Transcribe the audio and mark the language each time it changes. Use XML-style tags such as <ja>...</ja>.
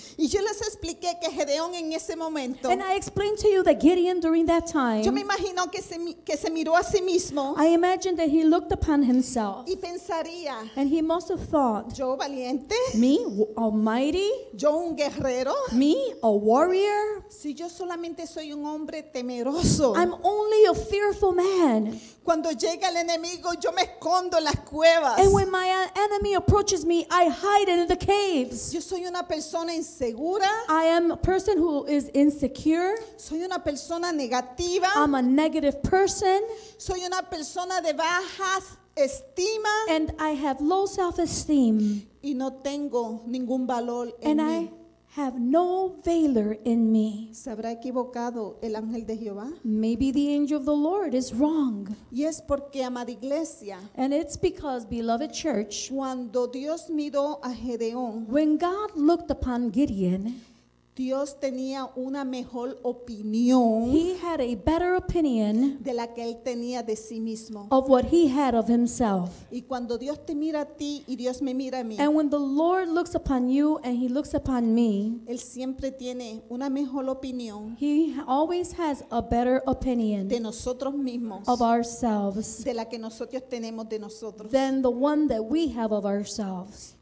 <es>Y yo les expliqué que Gedeón en ese momento,</es> <en>and I explained to you that Gideon during that time,</en> <es>yo me imagino que se miró a sí mismo,</es> <en>I imagine that he looked upon himself,</en> <es>y pensaría,</es> <en>and he must have thought,</en> <es>yo valiente,</es> <en>me, almighty,</en> <es>yo un guerrero,</es> <en>me, a warrior,</en> <es>si yo solamente soy un hombre temeroso,</es> <en>I'm only a fearful man,</en> <es>cuando llega el enemigo yo me escondo en las cuevas,</es> <en>and when my enemy approaches me I hide in the caves,</en> <es>yo soy una persona insegura,</es> <en>I am a person who is insecure,</en> <es>soy una persona negativa,</es> <en>I'm a negative person,</en> <es>soy una persona de baja estima,</es> <en>and I have low self-esteem,</en> <es>y no tengo ningún valor en</es> <en>and</en> <es>mí.</es> <en>I have no valor in me.</en> <es>¿Se habrá equivocado el ángel de Jehová?</es> <en>Maybe the angel of the Lord is wrong.</en> <es>Y es porque, amada iglesia,</es> <en>and it's because, beloved church,</en> <es>cuando Dios miró a Gedeón,</es> <en>when God looked upon Gideon,</en> <es>Dios tenía una mejor opinión,</es> <en>he had a better opinion,</en> <es>de la que él tenía de sí mismo,</es> <en>of what he had of himself.</en> <es>Y cuando Dios te mira a ti y Dios me mira a mí,</es> <en>and when the Lord looks upon you and he looks upon me,</en> <es>él siempre tiene una mejor opinión,</es> <en>he always has a better opinion,</en> <es>de nosotros mismos,</es> <en>of ourselves,</en> <es>de la que nosotros tenemos de nosotros,</es> <en>than the one that we have of ourselves.</en>